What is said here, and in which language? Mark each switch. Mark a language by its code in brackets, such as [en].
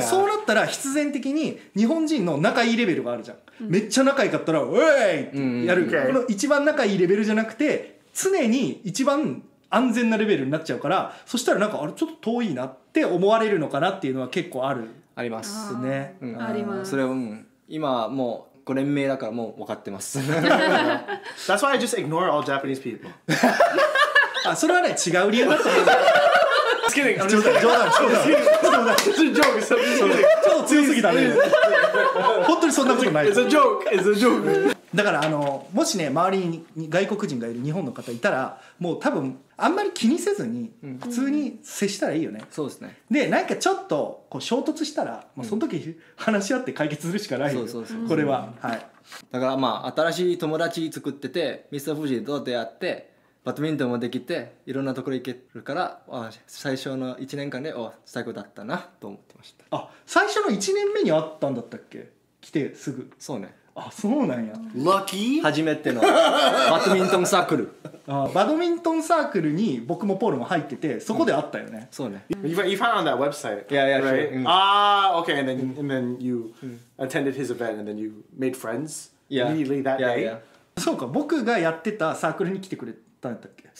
[ja] そうなったら必然的に日本人の仲いいレベルがあるじゃん、うん、めっちゃ仲いいかったらウェイってやる、うん、この一番仲いいレベルじゃなくて常に一番安全なレベルになっちゃうから、そしたらなんかあれちょっと遠いなって思われるのかなっていうのは結構あるあります。ね、うん、あります。それは、うん、今もう5年目だからもう分かってます。 [en] That's why I just ignore all Japanese people. [ja] あ、それはね違う理由だと思う。 [en] Just kidding. I'm just kidding. [ja] 冗談 [en] It's a joke. [ja] ちょっと強すぎたね。本当にそんなことない。 [en] It's a joke. It's a joke. [ja] だからあの、もしね周りに外国人がいる日本の方いたら、もう多分あんまり気にせずに普通に接したらいいよね。そうですね。で、なんかちょっとこう衝突したら、うん、まあ、その時話し合って解決するしかない。そうこれは、うん、はい。だからまあ新しい友達作ってて、ミスターフジと出会ってバドミントンもできていろんなところ行けるから、あ、最初の1年間で、お、最高だったなと思ってました。あ、最初の1年目に会ったんだったっけ、来てすぐ。そうね。あ、そうなんや。ラッキー。初めてのバドミントンサークル。あ、バドミントンサークルに僕もポールも入ってて、そこで会ったよね、うん、そうね。 [en] You found on that website? Yeah, yeah, right? Sure. Ah, okay, and then you attended his event and then you made friends immediately that day? Yeah. [ja] そうか、僕がやってたサークルに来てくれたんだっけ。